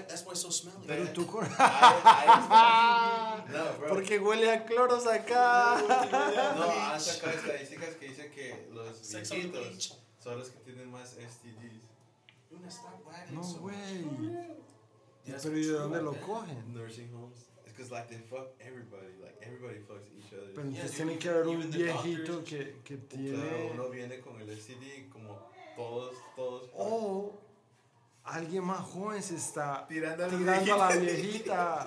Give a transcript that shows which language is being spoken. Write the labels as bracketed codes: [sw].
[en] That's why it's so smelly. [es] Pero tú con... No, bro. Porque huele a cloros acá. No, han sacado estadísticas que dicen que los viejitos son los que tienen más STDs. No way. Pero ¿y de dónde lo cogen? [en] Nursing homes. Because like they fuck everybody, like everybody fucks each other. [es] Pero entonces tiene que haber un viejito que tiene. Claro, uno viene con el STD como todos. O alguien más joven se está tirando a la viejita.